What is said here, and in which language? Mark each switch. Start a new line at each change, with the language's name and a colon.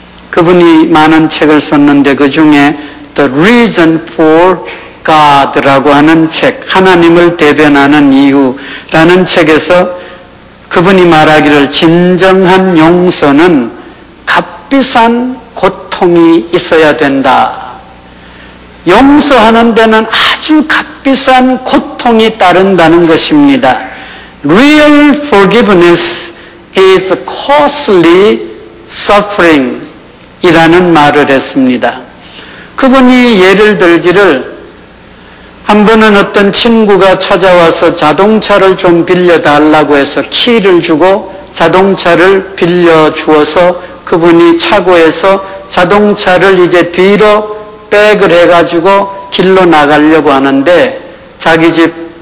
Korean: 그분이 많은 책을 썼는데 그 중에 The Reason for God라고 하는 책, 하나님을 대변하는 이유라는 책에서 그분이 말하기를 진정한 용서는 값비싼 고통이 있어야 된다. 용서하는 데는 아주 값비싼 고통이 따른다는 것입니다.
English: Real forgiveness is costly suffering
Korean: 이라는 말을 했습니다. 그분이 예를 들기를, 한 번은 어떤 친구가 찾아와서 자동차를 좀 빌려달라고 해서 키를 주고 자동차를 빌려주어서 그분이 차고에서 자동차를 이제 뒤로 백을 해가지고 길로 나가려고 하는데 자기 집